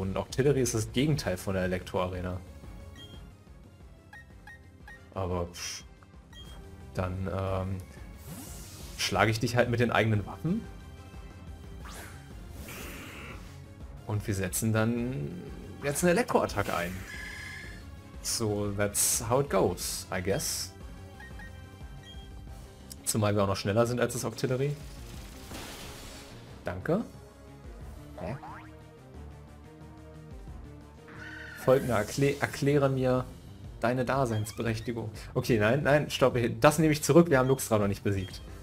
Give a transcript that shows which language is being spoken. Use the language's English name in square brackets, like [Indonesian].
[German] Und Octillery ist das Gegenteil von der Elektro-Arena. Aber dann schlage ich dich halt mit den eigenen Waffen. Und wir setzen dann jetzt eine Elektro-Attacke ein. [English] So, that's how it goes, I guess. [German] Zumal wir auch noch schneller sind als das Octillery. Danke. Ja. Folgende, erkläre mir deine Daseinsberechtigung. Okay, nein, nein, stopp, das nehme ich zurück, wir haben Luxra noch nicht besiegt.